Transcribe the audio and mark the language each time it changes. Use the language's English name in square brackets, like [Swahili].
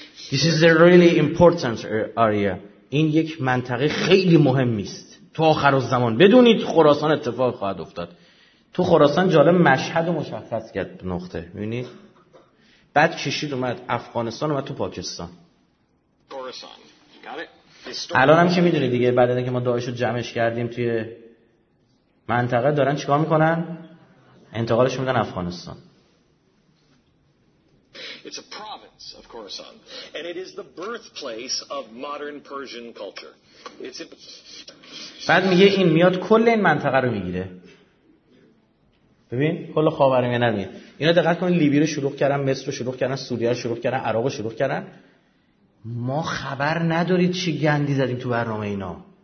[English] This is a really important area. [Persian] این یک منطقه خیلی مهمی است. تو آخر الزمان بدونید خراسان اتفاق خواهد افتاد. تو خراسان جالب مشهد و مشخص کرد نقطه. می‌بینی؟ بعد کشید اومد افغانستان و تو پاکستان. خراسان. [English] Got it. [Persian] الان هم که می‌دونید دیگه، بعد از اینکه ما داعش رو جمعش کردیم توی منطقه دارن چیکار می‌کنن؟ انتقالش میدن افغانستان. [English] It's a province of Khorasan and it is the birthplace of modern Persian culture. [Persian] It's بعد میگه این میاد کل این منطقه رو میگیره. ببین کل خاورمیانه نمی. اینا دقت کن، لیبی رو شروع کردن، مصر رو شروع کردن، سوریه رو شروع کردن، عراق رو شروع کردن. ما خبر ندارید چی گندی زدیم تو برنامه اینا.